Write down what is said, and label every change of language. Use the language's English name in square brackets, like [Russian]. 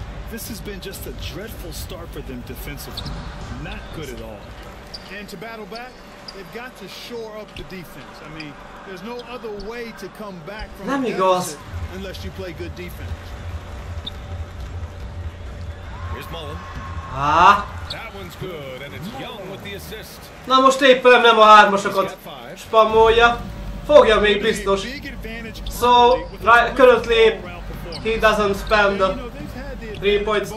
[English] This has been just a dreadful start for them defensively. Not good at all. And to battle back, They've got to shore up the defense. I mean, there's no other way to come back from [Hungarian] Nem igaz. [English] Unless you play good defense. Here's Mullen. Ah. That one's good and it's Young with the assist. [Hungarian] Na most éppen nem a hármasokat spammolja. Fogja még biztos. [English] So, right, currently he doesn't spam the 3 points.